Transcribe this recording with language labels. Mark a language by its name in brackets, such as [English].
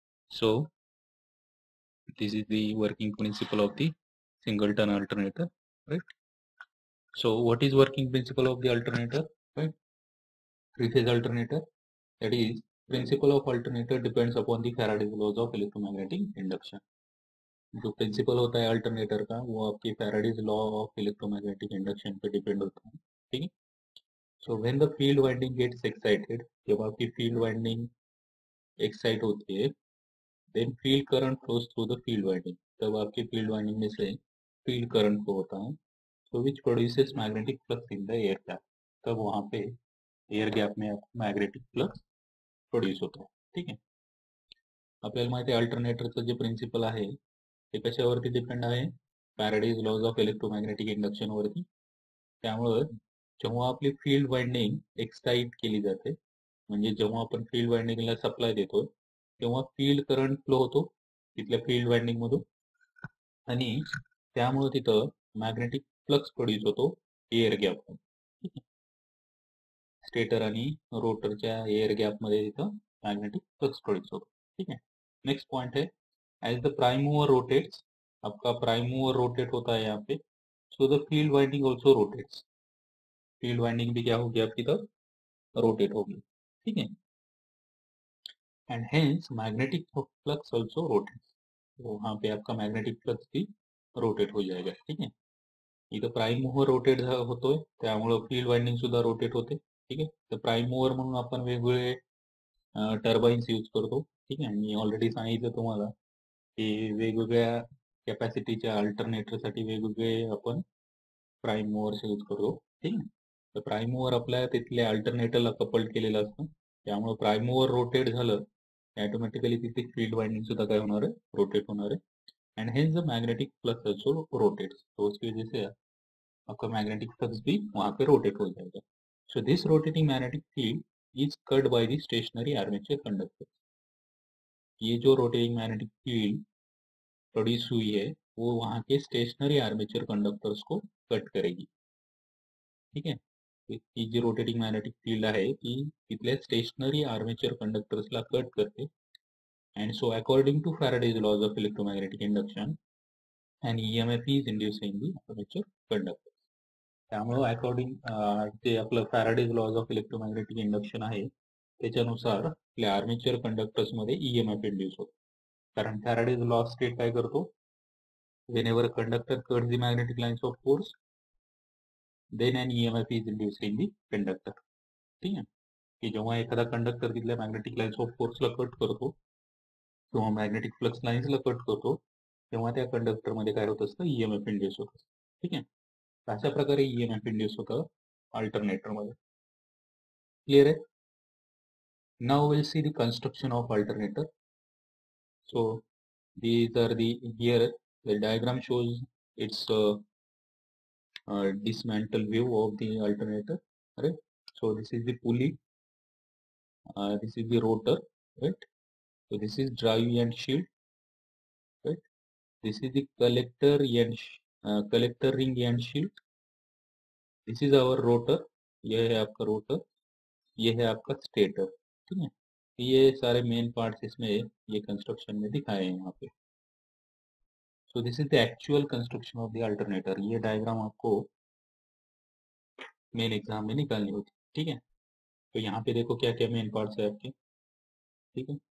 [English] So this is the working principle of the single turn alternator, right? So what is working principle of the alternator, right? Three phase alternator, that is principle of alternator depends upon the Faraday's laws of electromagnetic induction. [Hindi] जो principal होता है alternator का वो आपके Faraday's law of electromagnetic induction पे depend होता है, ठीक है? [English] so when the field winding gets excited, [Hindi] जब आपकी फील्ड वाइंडिंग एक्साइट होती है, [English] then field current flows through the field winding, [Hindi] तब आपके फील्ड वाइंडिंग में से फील्ड करंट फ्लो होता है, [English] so which produces magnetic flux in the air gap, [Hindi] तब वहां पे एयर गैप में मैग्नेटिक फ्लक्स प्रोड्यूस होता है, ठीक है? [Marathi] आपल्याला माहिती आहे अल्टरनेटरचं जे प्रिंसिपल आहे ते कशावरती डिपेंड आहे, Faraday's lodge of electromagnetic induction वरती. त्यामुळे जेव्हा आपली फील्ड वाइंडिंग एक्साइट केली जाते, म्हणजे जेव्हा आपण फील्ड वाइंडिंगला सप्लाय देतो, तेव्हा फील्ड करंट फ्लो होतो तिथल्या फील्ड वाइंडिंग मधून, आणि त्यामुळे तिथं मॅग्नेटिक फ्लक्स प्रोड्यूस होतो एअर गॅप, ठीक आहे? स्टेटर आणि रोटरच्या एअर गॅप मध्ये तिथं मॅग्नेटिक फ्लक्स प्रोड्यूस होतो, ठीक आहे? नेक्स्ट पॉइंट आहे, [English] as the prime mover rotates, [Hindi] आपका प्राइम मूवर रोटेट होता है यहाँ पे, [English] so the field winding also rotates, [Hindi] field winding भी क्या होगी आपकी तब रोटेट होगी, ठीक है? [English] and hence magnetic flux also rotates, [Hindi] वहां पे आपका मैग्नेटिक फ्लक्स भी रोटेट हो जाएगा, ठीक है? [Marathi] इथं प्राइम मूवर रोटेट होतो है, त्यामुळे फील्ड वाइंडिंग सुद्धा रोटेट होते, ठीक है? तर प्राइम मूवर म्हणून आपण वेगवेगळे टर्बाइन्स यूज करतो, ठीक है? मी ऑलरेडी सांगितलं तुम्हाला वेगवेगळ्या कॅपॅसिटीच्या अल्टरनेटर साठी वेगवेगळे आपण प्राइम मूवर यूज करतो, ठीक आहे? तर प्राइम मूवर आपल्या तिथल्या अल्टरनेटरला कपल्ड केलेला असतो, त्यामुळे प्राइम मूवर रोटेट झालं ऑटोमॅटिकली तिथे फील्ड वाइंडिंग सुद्धा काय होणार आहे, रोटेट होणार आहे, [English] and hence the magnetic flux also rotate, [Hindi] आपका मॅग्नेटिक फ्लक्स भी वहां पे रोटेट हो जाएगा. [English] So this rotating magnetic field is cut by the stationary armature conductor. [Hindi] ये जो रोटेटिंग मैग्नेटिक फील्ड प्रोड्यूस हुई है वो वहां के स्टेशनरी आर्मेचर कंडक्टर्स को कट करेगी, ठीक है? ये जो रोटेटिंग मैग्नेटिक फील्ड है कि इतने स्टेशनरी आर्मेचर कंडक्टर्स ला कट करते, [English] And so according to Faraday's laws of electromagnetic induction and EMF is inducing the armature conductor. [Marathi] त्यामुळे अकॉर्डिंग जे आपलं Faraday's lodge of electromagnetic induction है त्याच्यानुसार आपल्या आर्मेचर कंडक्टर्स मध्ये ईएमएफ इंड्यूस होतो, कारण फॅराडेज लॉ स्टेट काय करतो, [English] whenever conductor cut the magnetic lines of force then an EMF is induce in the conductor, [Marathi] ठीक आहे? की जेव्हा एखादा कंडक्टर तिथल्या मॅग्नेटिक लाईन्स ऑफ फोर्सला कट करतो किंवा मॅग्नेटिक फ्लक्स लाईन्सला कट करतो, तेव्हा त्या कंडक्टर मध्ये काय होत असतं, ईएमएफ इंड्यूस होत, ठीक आहे? अशा प्रकारे ईएमएफ इंड्यूस होतं अल्टरनेटर मध्ये, क्लिअर आहे? [English] Now we'll see the construction of alternator. So these are the here the diagram shows its dismantle view of the alternator, right? So this is the pulley, this is the rotor, right? So this is drive end shield, right? This is the collector end collector ring end shield. This is our rotor, [Hindi] ye hai aapka rotor, ye hai aapka stator. ये सारे main parts इसमें ये construction में दिखाए हैं यहाँ पे. [English] So this is the actual construction of the alternator. [Hindi] ये डायग्राम आपको मेन एग्जाम में निकालनी होती, ठीक है? तो यहाँ पे देखो क्या क्या मेन पार्ट्स है आपके, ठीक है।